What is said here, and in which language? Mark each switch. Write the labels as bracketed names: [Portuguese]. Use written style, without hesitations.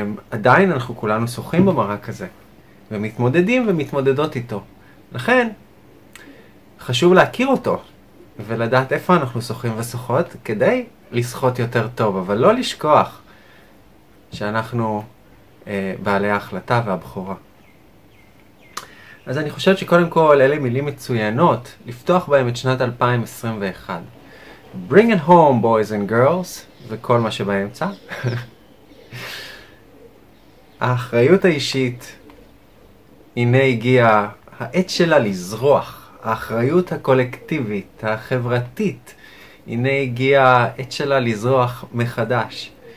[Hebrew] עדיין אנחנו כולנו שוחים במרק הזה ומתמודדים ומתמודדות איתו, לכן חשוב להכיר אותו ולדעת איפה אנחנו שוחים ושוחות כדי לשחות יותר טוב, אבל לא לשכוח שאנחנו בעלי ההחלטה והבחורה. אז אני חושב שקודם כל אלה מילים מצוינות לפתוח בהם את שנת 2021. [English] Bring it home boys and girls [Hebrew] וכל מה שבאמצע. האחריות האישית, הנה הגיעה העת שלה לזרוח. האחריות הקולקטיבית, החברתית, הנה הגיעה העת שלה לזרוח מחדש.